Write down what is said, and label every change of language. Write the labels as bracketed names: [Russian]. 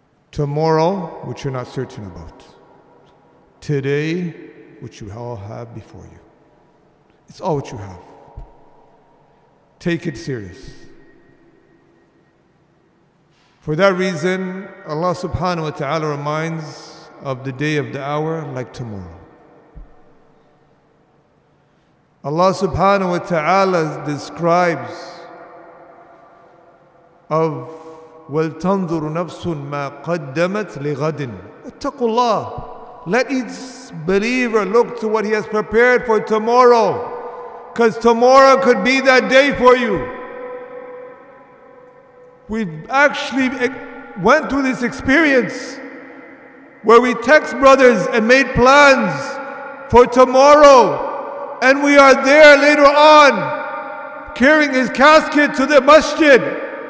[English] Tomorrow, which you're not certain about. Today, which you all have before you. It's all what you have. Take it serious. For that reason, Allah subhanahu wa ta'ala reminds of the day of the hour like tomorrow. Allah subhanahu wa ta'ala describes of [Arabic] وَلْتَنْظُرُ نَفْسٌ مَا قَدَّمَتْ لِغَدٍ وَاتَّقُوا اللَّهِ. [English] Let each believer look to what he has prepared for tomorrow, because tomorrow could be that day for you. We've actually went through this experience where we text brothers and made plans for tomorrow, and we are there later on carrying his casket to the masjid.